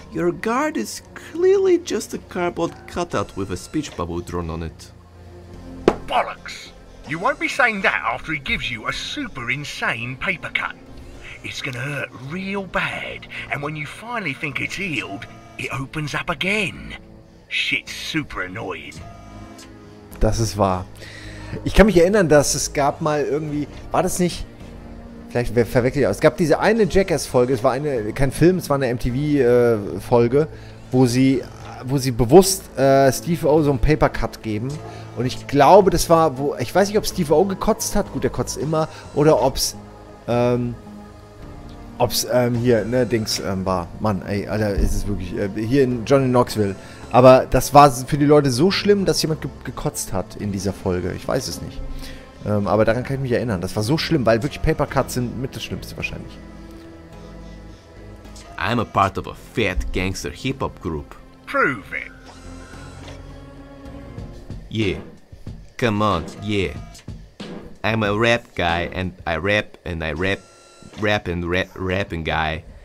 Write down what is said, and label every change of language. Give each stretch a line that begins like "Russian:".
English: Your guard is clearly just a cardboard cutout with a speech bubble drawn on it. Bollocks! You won't be saying that after he gives you a super insane paper cut. It's gonna hurt real bad, and when you finally think it's healed, it opens up again. Shit's super annoying.
German: Das ist wahr. Ich kann mich erinnern, dass es gab mal irgendwie... War das nicht... Vielleicht verwechsel ich auch. Es gab diese eine Jackass-Folge, es war eine, kein Film, es war eine MTV-Folge, wo sie bewusst Steve O so einen Papercut geben. Und ich glaube, das war, wo. Ich weiß nicht, ob Steve O gekotzt hat, gut, er kotzt immer, oder ob's. War. Mann, ey, Alter, ist es wirklich. Hier in Johnny Knoxville. Aber das war für die Leute so schlimm, dass jemand gekotzt hat in dieser Folge. Ich weiß es nicht. Aber daran kann ich mich erinnern. Das war so schlimm, weil wirklich Papercuts sind mit das Schlimmste wahrscheinlich.
English: I'm a part of a fat gangster hip-hop group. Prove it. Yeah. Come on, yeah. I'm a rap guy and I rap and I rap. Rap and rap, rapping guy.